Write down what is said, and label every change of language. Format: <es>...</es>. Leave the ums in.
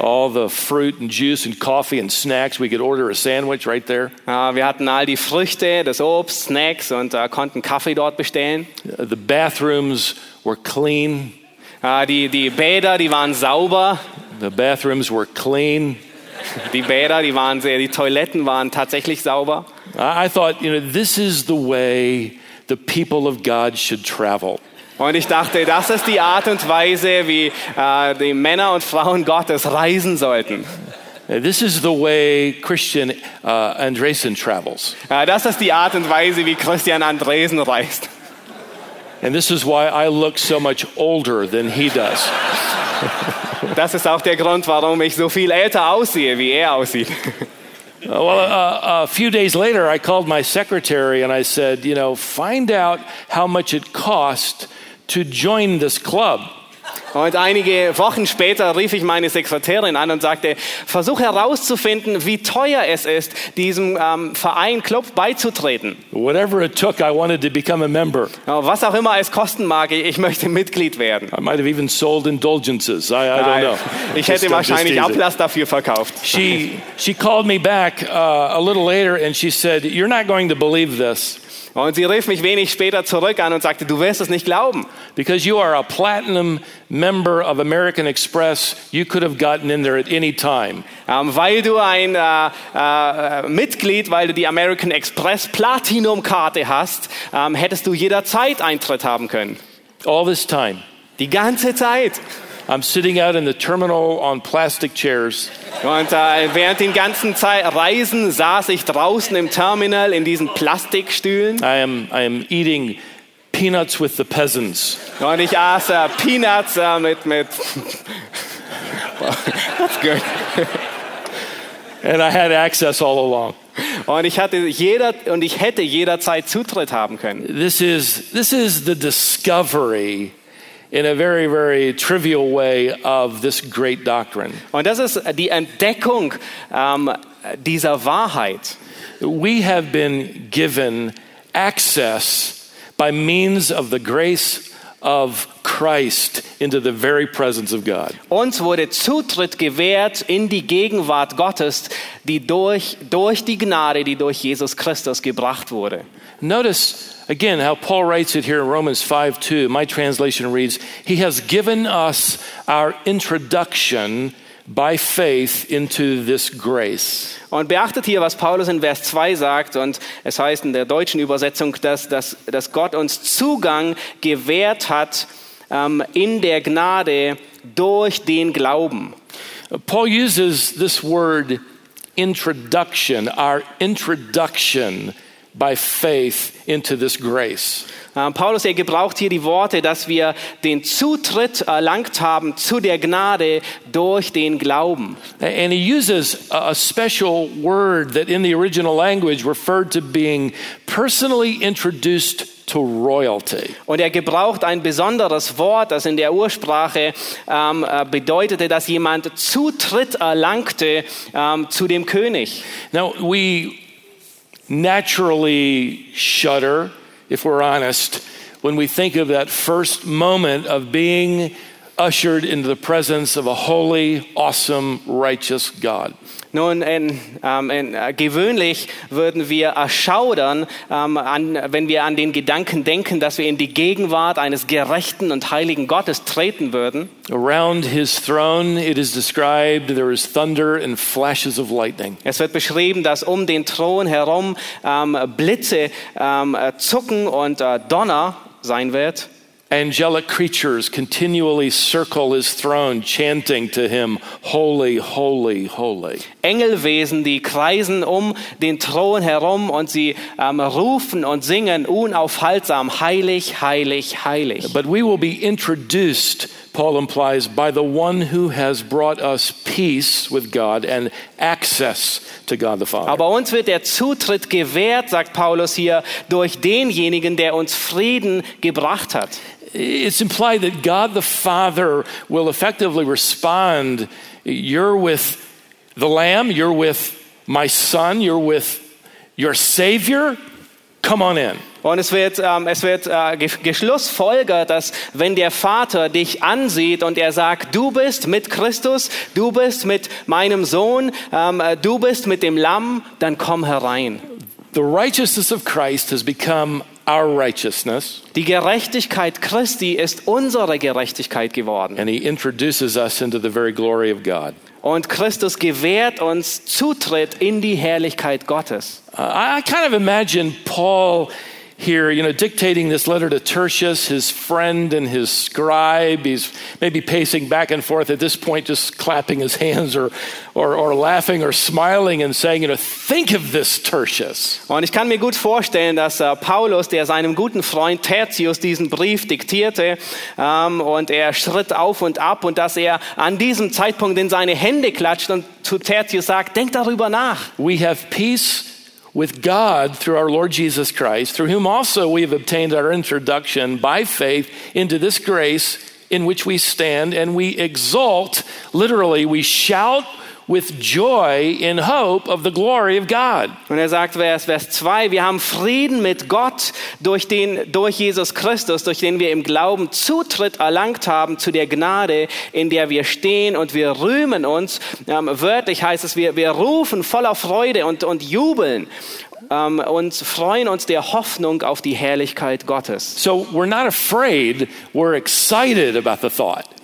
<en>All the fruit and juice and coffee and snacks. We could order a sandwich right there.</en> <de>Uh, wir hatten all die Früchte, das Obst, Snacks und uh, konnten Kaffee dort bestellen. Uh,</de> <en>the bathrooms were clean.</en> <de>Uh, die, die Bäder, die waren sauber.</de> <en>The bathrooms were clean.</en> <de>die Bäder, die waren sehr, die Toiletten waren tatsächlich sauber.</de> <en>I, I thought, you know, this is the way the people of God should travel. And</en> <de>ich dachte, das Weise, wie,</de> <en>uh, now, This is the way Christian uh, Andresen travels.</en> <de>Uh, das ist Weise, Christian Andresen reist.</de> <en>And this is why I look so much older than he does.</en> <de>das ist auch der Grund, warum ich so viel älter aussehe, wie er aussieht</de> <en>well, uh, a few days later, I called my secretary and I said, you know, find out how much it cost to join this club.</en> <de>Und einige Wochen später rief ich meine Sekretärin an und sagte, versuche herauszufinden, wie teuer es ist, diesem um, Verein Club beizutreten.</de> <en>Whatever it took, I wanted to become a member.</en> <de>Was auch immer es kosten mag, ich möchte Mitglied werden.</de> <en>I might have even sold indulgences. I, I don't know.</en> <de>ich hätte wahrscheinlich Ablass dafür verkauft.</de> <en>She, she called me back uh, a little later and she said, you're not going to believe this.</en> <de>Und sie rief mich wenig später zurück an und sagte, du wirst es nicht glauben.</de> <en>Because you are a platinum member of American Express, you could have gotten in there at any time.</en> <de>Um, weil du ein uh, uh, Mitglied, weil du die American Express Platinum Karte hast, um, hättest du jederzeit Eintritt haben können.</de> <en>All this time.</en> <de>Die ganze Zeit.</de> <en>I'm sitting out in the terminal on plastic chairs.</en> <de>Und während den ganzen Zeit reisen saß ich draußen im Terminal in diesen Plastikstühlen.</de> <en>I am, I am eating peanuts with the peasants.</en> <de>Und ich aß äh, Peanuts mit mit.</de> <en>That's good. and I had access all along.</en> <de>Und ich hatte jeder und ich hätte jederzeit Zutritt haben können.</de> <en>This is this is the discovery in a very very trivial way of this great doctrine.</en> <de>Und das ist die Entdeckung um, dieser Wahrheit.</de> <en>We have been given access by means of the grace of Christ into the very presence of God.</en> <de>Uns wurde Zutritt gewährt in die Gegenwart Gottes, die durch durch die Gnade, die durch Jesus Christus gebracht wurde.</de> <en>Notice again how Paul writes it here in Romans 5 2. My translation reads, He has given us our introduction by faith into this grace.</en> <de>Und beachtet hier, was Paulus in Vers 2 sagt, und es heißt in der deutschen Übersetzung, dass, dass, dass Gott uns Zugang gewährt hat um, in der Gnade durch den Glauben.</de> <en>Paul uses this word introduction, our introduction by faith into this grace.</en> <de>Uh, Paulus er gebraucht hier die Worte, dass wir den Zutritt erlangt haben zu der Gnade durch den Glauben.</de> <en>And he uses a, a special word that in the original language referred to being personally introduced to royalty. And he uses a special word that,</en> <de>in der Ursprache um, uh, bedeutete, dass jemand Zutritt erlangte to um, zu dem König.</de> <en>Now we naturally shudder, if we're honest, when we think of that first moment of being ushered into the presence of a holy, awesome, righteous God.</en> <de>Nun, in, um, in, gewöhnlich würden wir erschaudern, um, an, wenn wir an den Gedanken denken, dass wir in die Gegenwart eines gerechten und heiligen Gottes treten würden. Throne, es wird beschrieben, dass um den Thron herum um, Blitze zucken und uh, Donner sein wird.</de> <en>Angelic creatures continually circle his throne, chanting to him, Holy, holy, holy.</en> <de>Engelwesen, die kreisen um den Thron herum und sie um, rufen und singen unaufhaltsam, Heilig, heilig, heilig.</de> <en>But we will be introduced, Paul implies, by the one who has brought us peace with God and access. To God the Father.</en> <de>Aber uns wird der Zutritt gewährt, sagt Paulus hier, durch denjenigen, der uns Frieden gebracht hat</de> <en>it's implied that God the Father will effectively respond you're with the Lamb, you're with my Son, you're with your Savior. Come on in.</en> <de>Und es wird, ähm, es wird äh, geschlussfolgert, dass wenn der Vater dich ansieht und er sagt, du bist mit Christus, du bist mit meinem Sohn, ähm, du bist mit dem Lamm, dann komm herein.</de> <en>The righteousness of Christ has become our righteousness.</en> <de>Die Gerechtigkeit Christi ist unsere Gerechtigkeit geworden.</de> <en>And he introduces us into the very glory of God.</en> <de>Und Christus gewährt uns Zutritt in die Herrlichkeit Gottes.</de> <en>Uh, I kind of imagine Paul here, you know, dictating this letter to Tertius, his friend and his scribe. He's maybe pacing back and forth at this point, just clapping his hands or, or, or laughing or smiling and saying, you know, think of this, Tertius.</en> <de>Und ich kann mir gut vorstellen, dass uh, Paulus, der seinem guten Freund Tertius diesen Brief diktierte, um, und er schritt auf und ab und dass er an diesem Zeitpunkt in seine Hände klatscht und zu Tertius sagt, denk darüber nach.</de> <en>We have peace with God through our Lord Jesus Christ, through whom also we have obtained our introduction by faith into this grace in which we stand and we exult. Literally, we shout Mit joy in hope of the glory of God.</en> <de>Und er sagt Vers Vers 2, wir haben Frieden mit Gott durch den durch Jesus Christus, durch den wir im Glauben Zutritt erlangt haben zu der Gnade, in der wir stehen und wir rühmen uns. Um, wörtlich heißt es, wir, wir rufen voller Freude und, und jubeln um, und freuen uns der Hoffnung auf die Herrlichkeit Gottes.</de> <en>So we're not afraid, we're excited about the thought.</en>